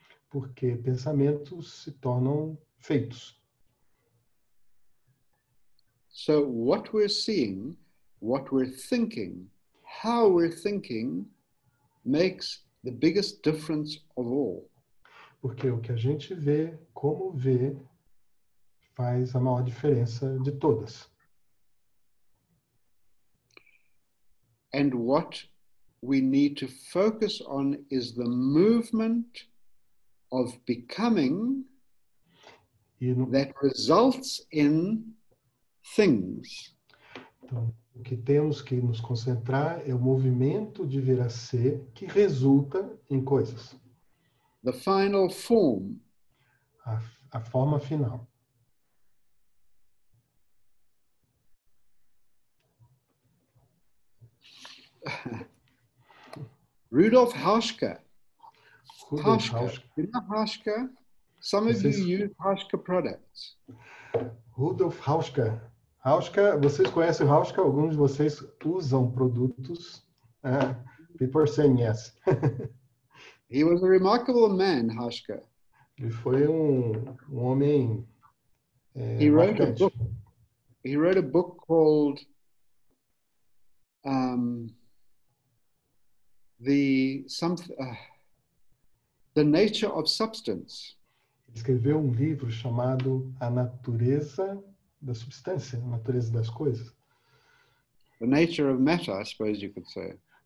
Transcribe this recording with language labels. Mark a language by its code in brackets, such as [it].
[pt] Porque pensamentos se tornam feitos. [en] So what we're seeing, what we're thinking, how we're thinking makes the biggest difference of all. [pt] Porque o que a gente vê, como vê, faz a maior diferença de todas. [en] And what we need to focus on is the movement of becoming that results in things. [pt] Então, o que temos que nos concentrar é o movimento de vir a ser que resulta em coisas. [en] The final form. [pt] A forma final. [en] Rudolf Hauschka. [pt] Hauschka. [en] Some of you use Hauschka products. [pt] Rudolf Hauschka. Hauschka, vocês conhecem o Hauschka? Alguns de vocês usam produtos. [en] People are saying yes. He was a remarkable man, Hauschka. [pt] Ele foi um homem. [en] He wrote a book called The Nature of Substance. [pt] Ele escreveu um livro chamado A Natureza da Substância, a Natureza das Coisas. [en] The Nature of Matter, I suppose you could say.